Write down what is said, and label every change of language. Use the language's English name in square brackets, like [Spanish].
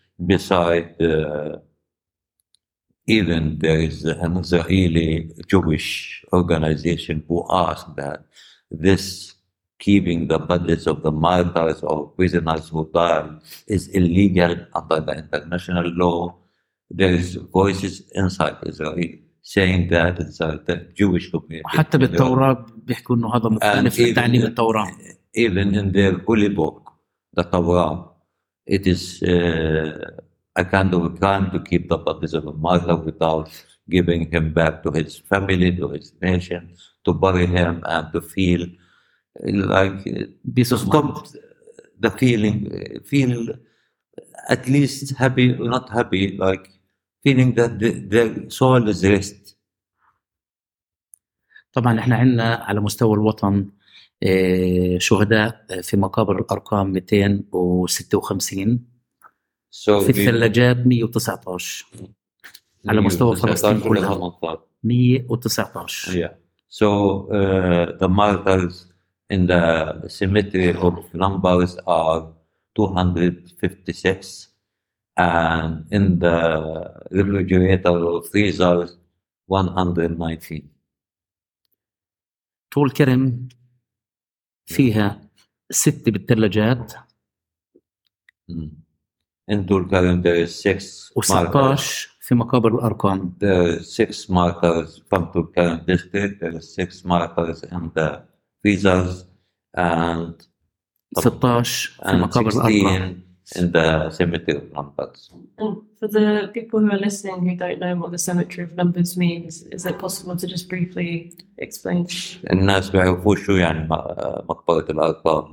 [English] Besides, even there is an Israeli Jewish organization who asked that this keeping the bodies of the martyrs or prisoners who died is illegal under the international law. There is voices inside Israel saying that it's the Jewish community. [Arabic] حتى بالتوراة بيحكوا إنه هذا مخالف لتعليم التوراة. [English] Even in their holy book, the Torah, it is. A kind of a crime to keep the bodies of a martyr without giving him back to his family, to his nation, to bury him and to feel like this is stop the feeling, feel at least happy, not happy, like feeling that the soul is rest. [Arabic] طبعا احنا عندنا على مستوى الوطن شهداء في مقابر الارقام 256 في الثلاجات 119 على مستوى فلسطين كلها 119 [English] So the martyrs in the cemetery of numbers are 256 and in the refrigerator of freezers 119 [Arabic] طول كرم فيها ست بالثلاجات [English] In Tul Karim, there is six markers. [Arabic] في مقابر الأرقام. [English] There is six markers from Tul Karim district. There is six markers in the freezers. And [Arabic] 16 في مقابر الأرقام. [English] In the cemetery of numbers. For the people who are listening who don't know what the cemetery of numbers means, is it possible to just briefly explain? [Arabic] الناس بيعرفوا شو يعني مقبرة الأرقام.